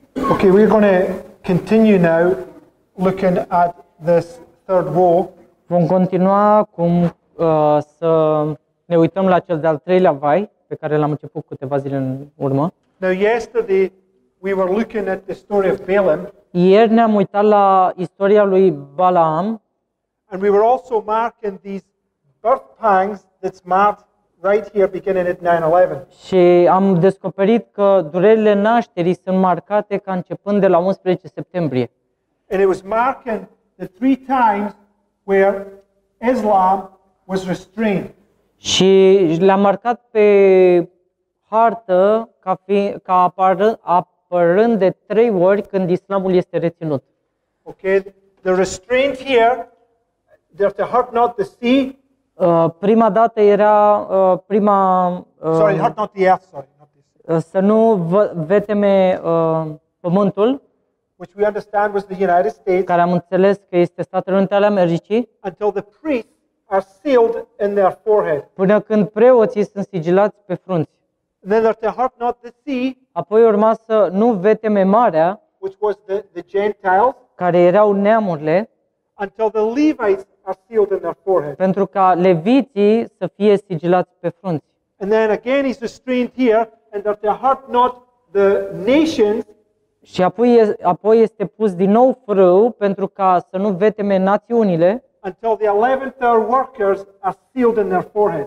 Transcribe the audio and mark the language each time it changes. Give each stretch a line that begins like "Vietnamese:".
English: Okay, we're going to continue now looking at this third woe.
Romanian: Vom continua cum să ne uităm la cel de-al treilea vai pe care l-am început câteva zile în urmă.
English: Now yesterday we were looking at the story of Balaam.
Romanian: Ieri ne-am uitat la istoria lui Balaam.
English: And we were also marking these birth pangs that's marked right here beginning at 9/11.
Romanian: Și am descoperit că durerile nașterii sunt marcate ca începând de la 11 septembrie.
English: And it was marking the three times where Islam was restrained.
Romanian: Și le-am marcat pe hartă ca apărând de trei ori când Islamul este reținut.
English: Okay, the restraint here, they have to hurt not the sea.
Romanian: Prima dată era prima.
English: Sorry, hurt not the earth. Sorry, not the sea.
Romanian: Să nu veteme pământul.
English: Which we understand was the United States.
Romanian: Care am înțeles că este Statele Unite ale Americii.
English: Until the priests are sealed in their forehead.
Romanian: Până când preoții sunt sigilați pe frunți.
English: Then they're to harp not the sea.
Romanian: Apoi urma să nu veteme marea,
English: which was the Gentiles,
Romanian: care erau neamurile,
English: until the Levites are sealed in their forehead.
Romanian: Pentru ca leviții să fie sigilați pe frunți.
English: And then again he's restrained here, and they're to harp not the nations.
Romanian: Și apoi este pus din nou frâu pentru ca să nu veteme națiunile.
English: Until the 11th hour workers are sealed in their forehead.